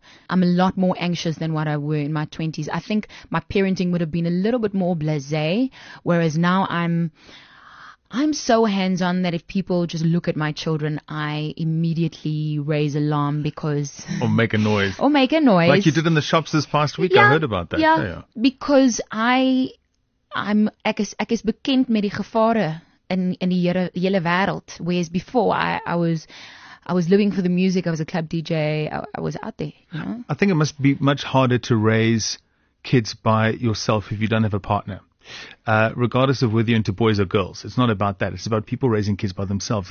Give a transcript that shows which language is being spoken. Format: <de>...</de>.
<en>I'm a lot more anxious than what I were in my 20s. I think my parenting would have been a little bit more blasé, whereas now I'm so hands-on that if people just look at my children, I immediately raise alarm because... Or make a noise. Like you did in the shops this past week. Yeah, I heard about that. Yeah, because</en> <af>ek is bekend met die gevare in die hele wêreld.</af> <en>Whereas before, I was living for the music. I was a club DJ. I was out there. You know? I think it must be much harder to raise kids by yourself if you don't have a partner. Regardless of whether you're into boys or girls, it's not about that. It's about people raising kids by themselves.</en>